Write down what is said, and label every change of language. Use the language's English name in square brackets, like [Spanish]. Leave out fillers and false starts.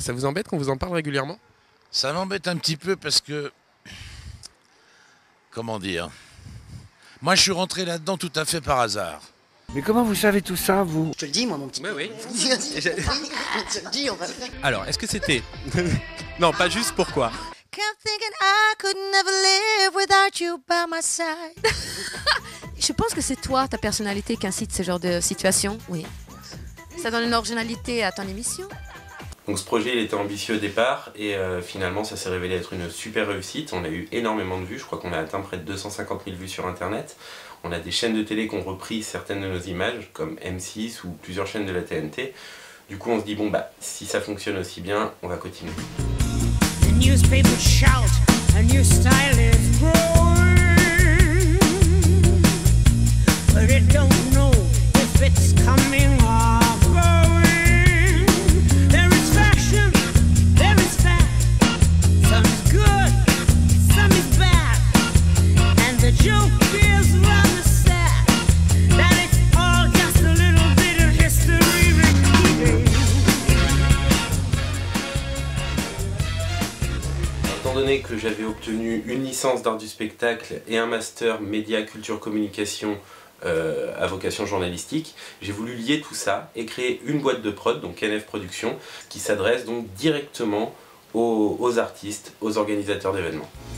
[French] Ça vous embête qu'on vous en parle régulièrement ? Ça m'embête un petit peu parce que, comment dire, moi je suis rentré là-dedans tout à fait par hasard. Mais comment vous savez tout ça, vous ? Je te le dis, moi, mon petit. Oui, oui. Je te le dis, on va le faire. Alors, est-ce que c'était... Non, pas juste pourquoi ? [English] I'm thinking I could never live without you by my side. [French] Je pense que c'est toi, ta personnalité, qui incite ce genre de situation. Oui. Ça donne une originalité à ton émission. Donc ce projet, il était ambitieux au départ et finalement, ça s'est révélé être une super réussite. On a eu énormément de vues. Je crois qu'on a atteint près de 250 000 vues sur Internet. On a des chaînes de télé qui ont repris certaines de nos images, comme M6 ou plusieurs chaînes de la TNT. Du coup, on se dit, bon, bah, si ça fonctionne aussi bien, on va continuer. [English] Newspapers shout, a new style is growing, but it don't know if it's coming or going. There is fashion, there is fat, some is good, some is bad, and the joke feels rather sad that it's all just a little bit of history repeating. [French] Étant donné que j'avais obtenu une licence d'art du spectacle et un master média, culture, communication à vocation journalistique, j'ai voulu lier tout ça et créer une boîte de prod, donc NF Productions, qui s'adresse donc directement aux artistes, aux organisateurs d'événements.